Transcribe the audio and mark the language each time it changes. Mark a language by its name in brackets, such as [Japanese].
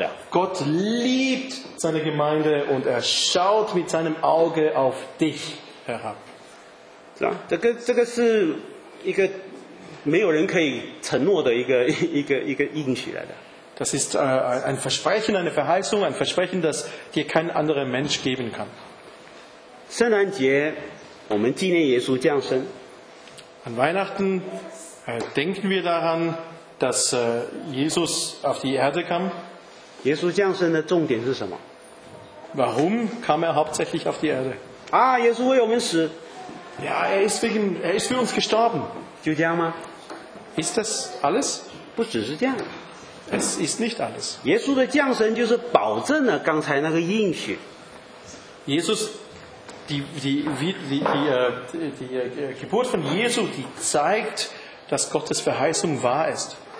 [German] Gott liebt seine Gemeinde und er schaut mit seinem Auge auf dich herab. Das ist ein Versprechen, eine Verheißung, ein Versprechen, das dir kein anderer Mensch geben kann. [Chinese] 圣诞节，我们纪念耶稣降生。 [German] An Weihnachten denken wir daran, dass Jesus auf die Erde kam. [Chinese] 耶稣降生的重点是什么？ [German] Warum kam er hauptsächlich auf die Erde? [Chinese] 啊，耶稣为我们死。 [German] Ja, er ist für uns gestorben. [Chinese] 就这样吗？ [German] Ist das alles? [Chinese] 不只是这样。 [German] Es ist nicht alles. [Chinese] 耶稣的降生就是保证了刚才那个应许。 [German] Jesus Die Geburt von Jesu, die zeigt, dass Gottes Verheißung wahr ist.